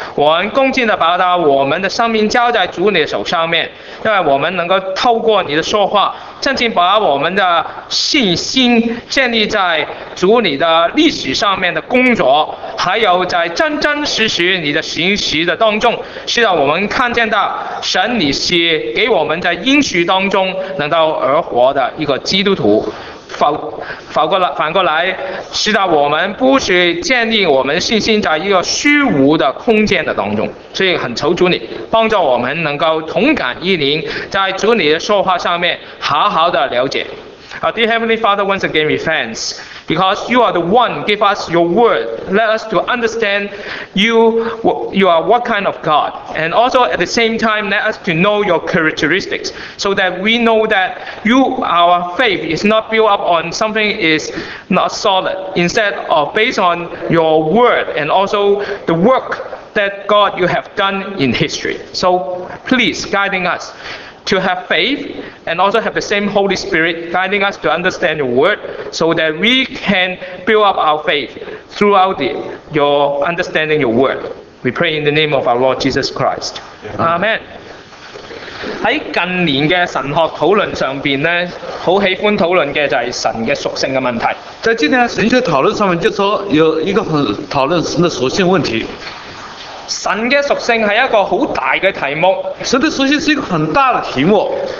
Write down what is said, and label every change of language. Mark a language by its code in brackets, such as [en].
[zh] 我们恭敬地把我们的生命交在主你的手上面，因为我们能够透过你的说话，真正把我们的信心建立在主你的历史上面的工作，还有在真真实实你的行事的当中，是让我们看见到神你是给我们在应许当中能够而活的一个基督徒。反过来，使得我们不是建立我们信心在一个虚无的空间的当中。所以很求主你帮助我们能够同感一灵，在主你的说话上面好好的了解。 [en] Dear Heavenly Father, once again we thanks because you are the one give us your word, let us to understand you are what kind of God, and also at the same time let us to know your characteristics so that we know that you our faith is not built up on something is not solid, instead of based on your word and also the work that God you have done in history. So please guiding us. To have faith and also have the same Holy Spirit guiding us to understand your word so that we can build up our faith throughout your understanding your word. We pray in the name of our Lord Jesus Christ. Amen. [zh] 在近年的神学讨论上面呢，很喜欢讨论的就是神的属性的问题。在今天神学讨论上面就说有一个很讨论神的属性问题。神的属性是一个很大的题目，神的属性是一个很大的题目，